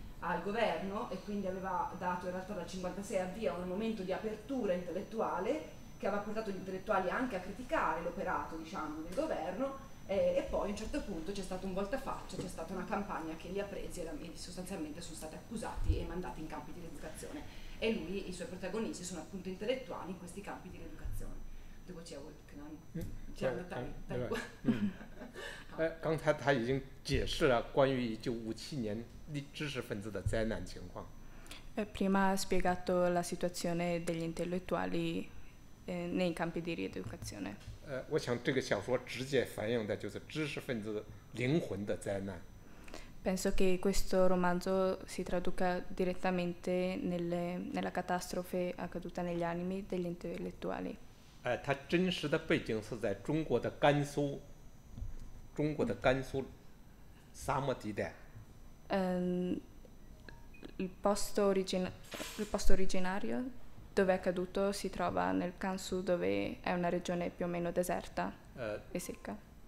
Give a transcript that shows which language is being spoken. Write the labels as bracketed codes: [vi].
[it] al governo, e quindi aveva dato in realtà dal 56 avvio a un momento di apertura intellettuale che aveva portato gli intellettuali anche a criticare l'operato, diciamo, del governo, e poi a un certo punto c'è stato un voltafaccia, c'è stata una campagna che li ha presi e sostanzialmente sono stati accusati e mandati in campi di rieducazione. e lui, i suoi protagonisti sono appunto intellettuali in questi campi di educazione. Dopo c'è Wolfgang, c'è andata qua. [zh] 刚才他已经解释了关于1957年知识分子的灾难情况。 [it] Prima ha spiegato la situazione degli intellettuali nei campi di rieducazione. [zh] 我想这个小说直接反映的就是知识分子灵魂的灾难。 [it] Penso che questo romanzo si traduca direttamente nella catastrofe accaduta negli animi degli intellettuali. [zh] 它真实的背景是在中国的甘肃。中国的甘肃沙漠地带. [it] Il posto originario dove è accaduto si trova nel Gansu, dove è una regione più o meno deserta e secca.